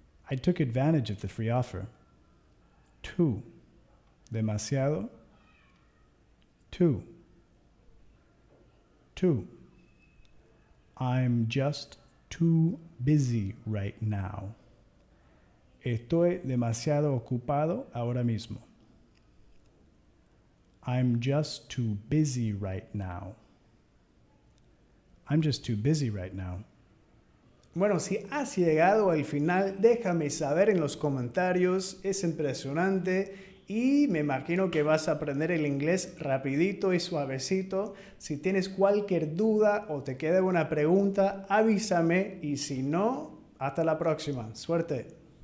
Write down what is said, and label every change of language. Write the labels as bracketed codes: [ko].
[en] I took advantage of the free offer. Too. [es] Demasiado. [en] Too. Too. I'm just too busy right now. [es] Estoy demasiado ocupado ahora mismo. [en] I'm just too busy right now. I'm just too busy right now. [es] Bueno, si has llegado al final, déjame saber en los comentarios. Es impresionante. Y me imagino que vas a aprender el inglés rapidito y suavecito. Si tienes cualquier duda o te queda alguna pregunta, avísame. Y si no, hasta la próxima. Suerte.